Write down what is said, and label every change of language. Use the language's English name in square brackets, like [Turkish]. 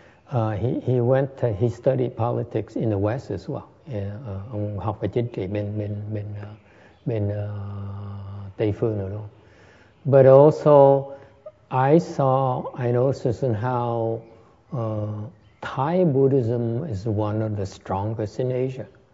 [English] He studied politics in the West as well. [Vietnamese] Yeah, ông học về chính trị bên bên bên bên Tây phương nữa. [English] But also, I saw I noticed how Thai Buddhism is one of the strongest in Asia.